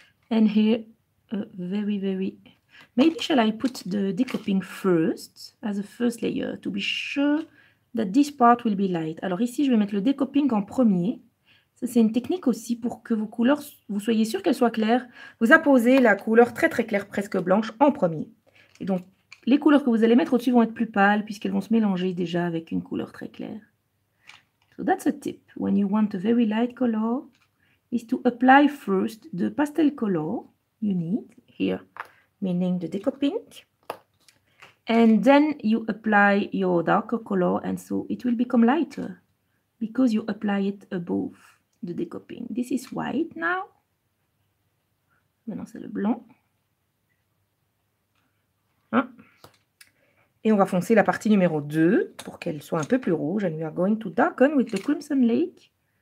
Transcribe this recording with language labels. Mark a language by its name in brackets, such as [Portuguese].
[English] And here, maybe shall I put the decoping first, as a first layer, to be sure that this part will be light. [French] Alors ici, je vais mettre le decoping en premier. Ça, c'est une technique aussi pour que vos couleurs, vous soyez sûr qu'elles soient claires. Vous apposez la couleur très très claire, presque blanche, en premier. Et donc, les couleurs que vous allez mettre au-dessus vont être plus pâles, puisqu'elles vont se mélanger déjà avec une couleur très claire. [English] So that's a tip. When you want a very light color, is to apply first the pastel color you need here, meaning the deco pink. And then you apply your darker color, and so it will become lighter because you apply it above the deco pink. This is white now. [French] Maintenant, c'est le blanc. Hein? Et on va foncer la partie numéro 2 pour qu'elle soit un peu plus rouge. [English] And we are going to darken with the Crimson Lake,